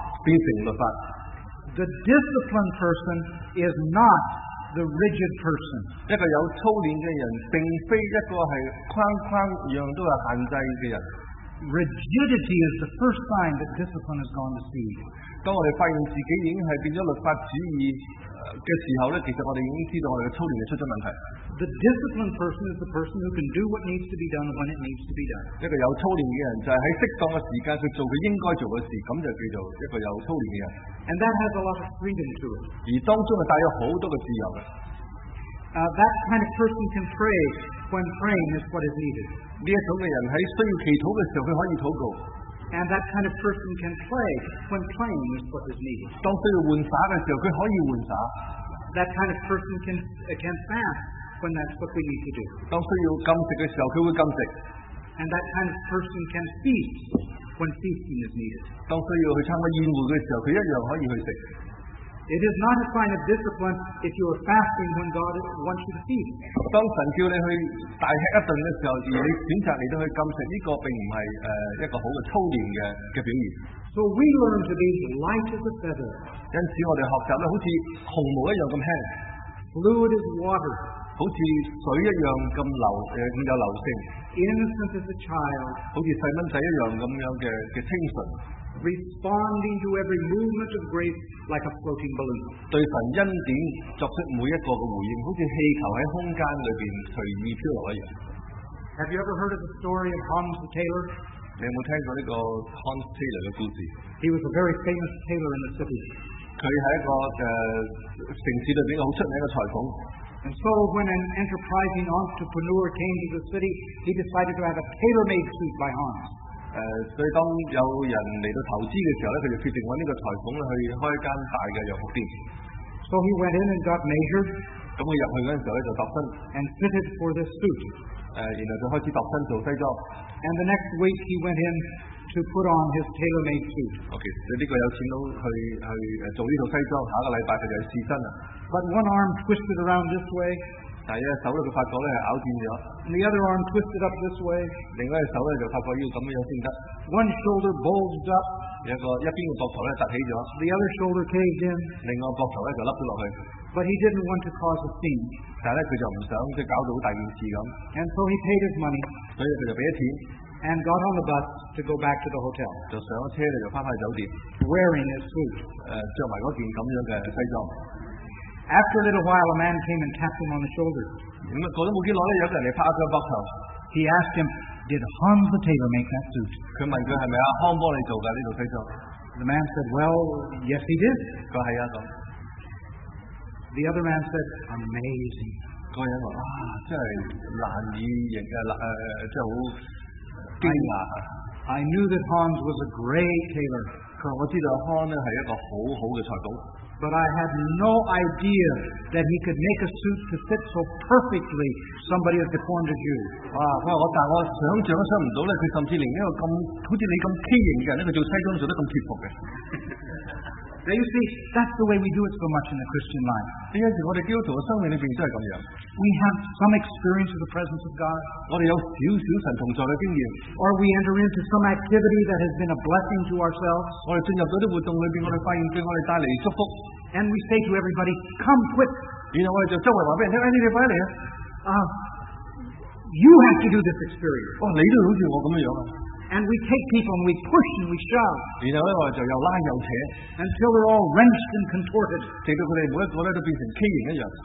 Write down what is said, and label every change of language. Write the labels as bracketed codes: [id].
[yue] 变成律法。 [en] The disciplined person is not the rigid person. [yue] 一个有操练嘅人，并非一个系框框样都系限制嘅人。 [en] Rigidity is the first sign that discipline has gone to seed. [yue] 当我哋发现自己已经系变咗律法主义。嘅時候咧，其實我哋已經知道我哋嘅操練出咗問題。 [en] The disciplined person is the person who can do what needs to be done when it needs to be done. [yue] 一個有操練嘅人就係喺適當嘅時間去做佢應該做嘅事，咁就叫做一個有操練嘅人。 [en] And that has a lot of freedom to it. [yue] 而當中係帶有好多嘅自由。 [en] That kind of person can pray when praying is what is needed. [yue] 呢一種嘅人喺需要祈禱嘅時候，佢可以禱告。 [en] And that kind of person can play when playing is what is needed. [yue] 当需要玩耍的时候，他可以玩耍。 [en] That kind of person can fast when that's what we need to do. [yue] 当需要禁食的时候，他会禁食。 [en] And that kind of person can feast when feasting is needed. [yue] 当需要去参加宴会的时候，他一样可以去食。 [en] It is not a sign of discipline if you are fasting when God wants you to feast. [yue] 当神叫你去大吃一顿的时候，而你选择你都去禁食，这个并不是一个好的操练的表现。 [en] So we learn to be light as a feather. [yue] 因此我们学习呢，好像鸿毛一样咁轻。 [en] Fluid as water. [yue] 好像水一样咁流，咁有流性。 [en] Innocent as a child. [yue] 好像细蚊仔一样咁样嘅清纯。 [en] Responding to every movement of grace like a floating balloon. [yue] 对神恩典作出每一个嘅回应，好似气球喺空间里边随意飘落一样。 [en] Have you ever heard of the story of Hans the Tailor? [yue] 你有冇听过呢个 Hans Taylor 嘅故事 [en] ？He was a very famous tailor in the city. [yue] 佢系一个城市里边好出名嘅裁缝。 [en] And so when an enterprising entrepreneur came to the city, he decided to have a tailor-made suit by Hans. [yue] 所以当有人来到投资的时候呢，他就决定找这个裁缝去开一间大的洋服店。 [en] So he went in and got measured. [yue] 他进去的时候呢，就度身。 [en] And fitted for this suit. [yue] 然后就开始度身做西装。 [en] And the next week he went in to put on his tailor-made suit. [yue] Okay, 所以这个有钱佬去做这套西装，下个礼拜他就去试身了。 [en] But one arm twisted around this way. [yue] 但一手呢，佢发觉咧系拗断咗。 [en] And the other arm twisted up this way. [yue] 另外一手咧就发觉要咁样先得。 [en] One shoulder bulged up. [yue] 一边嘅膊头咧凸起咗。 [en] The other shoulder caved in. [yue] 另外膊头咧就凹咗落去。 [en] But he didn't want to cause a scene. [yue] 但咧佢就唔想即系搞到好大件事咁。 [en] And so he paid his money. [yue] 所以佢就俾咗钱。 [en] And got on the bus to go back to the hotel. [yue] 就上咗车咧就翻翻去酒店。 [en] Wearing his suit. [yue] 着埋嗰件咁样嘅西装。 [en] After a little while, a man came and tapped him on the shoulder. [yue] 过咗冇几耐咧，有个人嚟拍佢膊头。 [en] He asked him, "Did Hans the Tailor make that suit?" [yue] 佢问佢系咪阿康帮你做噶呢套西装。 [en] The man said, "Well, yes, he did." [yue] 佢系阿康。 [en] The other man said, "Amazing." [yue] 嗰人话：哇，真系难以形容，即系好惊讶。 [en] I knew that Hans was a great tailor. [yue] 佢话：我知道 Hans 咧系一个好好嘅裁缝。 [en] But I had no idea that he could make a suit to fit so perfectly somebody as deformed as you. [yue] 但我想象都想唔到咧，佢甚至连一个咁好似你咁畸形嘅人咧，佢做西装做得咁贴服嘅。 [en] Now you see, that's the way we do it so much in the Christian life. [yue] 呢一时我哋基督徒嘅生命里边都系咁样。 [en] We have some experience of the presence of God. [yue] 我哋有少少神同在嘅经验。 [en] Or we enter into some activity that has been a blessing to ourselves. [yue] 我哋进入咗啲活动里边，我哋发现对我哋带嚟祝福。 [en] And we say to everybody, "Come quick!" [yue] 然后我哋就周围话俾人听，你哋快嚟啊！ [en] You have to do this experience. [yue] 你都好似我咁样啊！ [en] And we take people and we push and we shove. [yue] 然后咧，我就又拉又扯 [en] ，until they're all wrenched and contorted. [yue] 直到佢哋每一个咧都变成畸形一样。